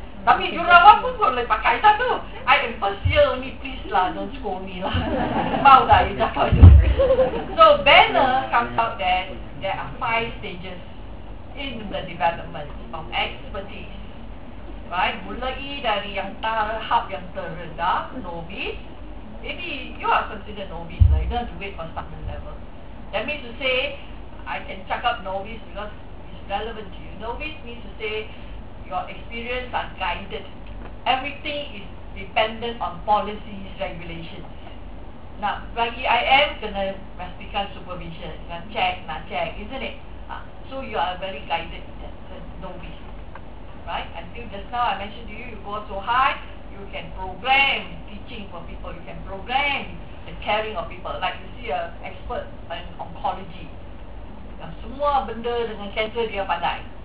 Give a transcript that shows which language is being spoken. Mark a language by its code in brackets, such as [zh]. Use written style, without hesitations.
[ms] Tapi jurawat pun boleh pakai satu. [en] I am first year only, please lah, don't scold me lah. [ms] Mau dah, [en] you [ms] dah tahu. [en] So banner comes out that there are 5 stages in the development of expertise. Right, [ms] mulai dari yang tahap yang terendah, novice. [en] Maybe you are considered novice lah, you don't have to wait for starting level. That means to say, I can check up novice because it's relevant to you. Novice means to say your experience are guided. Everything is dependent on policies, regulations. [ms] Nak bagi IM, kena pastikan supervision. Nak check, [en] isn't it? So you are very guided, novice. Right? Until just now I mentioned to you, you go so high, you can program teaching for people. You can program the caring of people. Like you see an expert in oncology. [ms] Semua benda dengan kanser dia pandai.